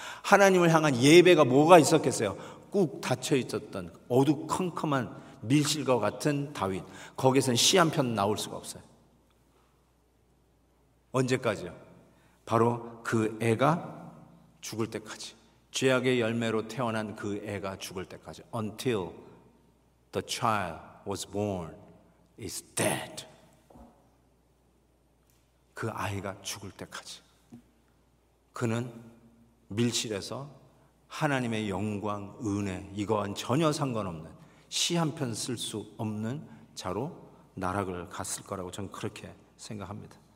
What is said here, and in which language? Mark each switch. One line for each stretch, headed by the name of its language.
Korean: 하나님을 향한 예배가 뭐가 있었겠어요? 꾹 닫혀있었던 어두컴컴한 밀실과 같은 다윗, 거기에선 시 한 편 나올 수가 없어요. 언제까지요? 바로 그 애가 죽을 때까지, 죄악의 열매로 태어난 그 애가 죽을 때까지.
English: Until the child was born is dead.
Korean: 그 아이가 죽을 때까지 그는 밀실에서 하나님의 영광, 은혜 이거와는 전혀 상관없는, 시 한 편 쓸 수 없는 자로 나락을 갔을 거라고 저는 그렇게 생각합니다.